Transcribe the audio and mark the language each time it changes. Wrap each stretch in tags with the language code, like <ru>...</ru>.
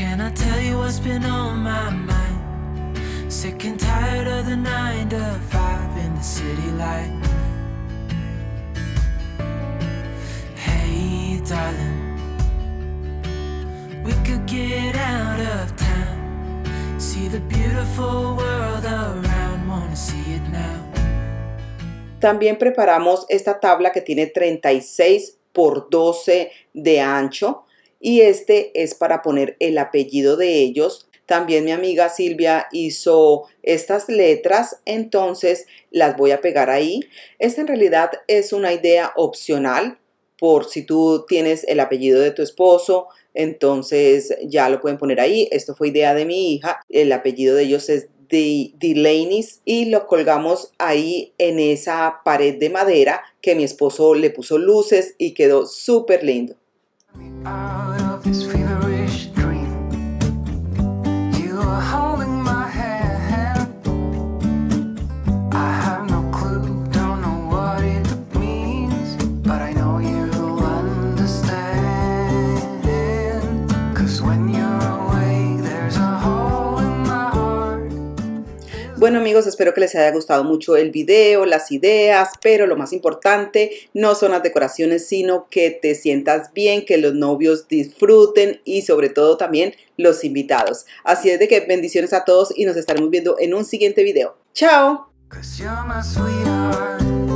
<en>I tell you what's been on my mind. Sick and tired of the 9-to-5 in the city light. Hey, darling, we could get out of town. See the beautiful world around, wanna see it now.</en> <es>También preparamos esta tabla que tiene 36x12 de ancho. Y este es para poner el apellido de ellos. También mi amiga Silvia hizo estas letras, entonces las voy a pegar ahí. Esta en realidad es una idea opcional, por si tú tienes el apellido de tu esposo, entonces ya lo pueden poner ahí. Esto fue idea de mi hija. El apellido de ellos es Delaney's y lo colgamos ahí en esa pared de madera que mi esposo le puso luces y quedó súper lindo.</es> <en>Out of this feverish dream, you are holding my hand. I have no clue, don't know what it means, but I know you'll understand it. 'Cause when you're away, there's a hole in my heart.</en> <es>Bueno, amigos, espero que les haya gustado mucho el video, las ideas, pero lo más importante no son las decoraciones, sino que te sientas bien, que los novios disfruten y sobre todo también los invitados. Así es de que bendiciones a todos y nos estaremos viendo en un siguiente video. ¡Chao!</es> <en>'Cause you're my sweetheart.</en>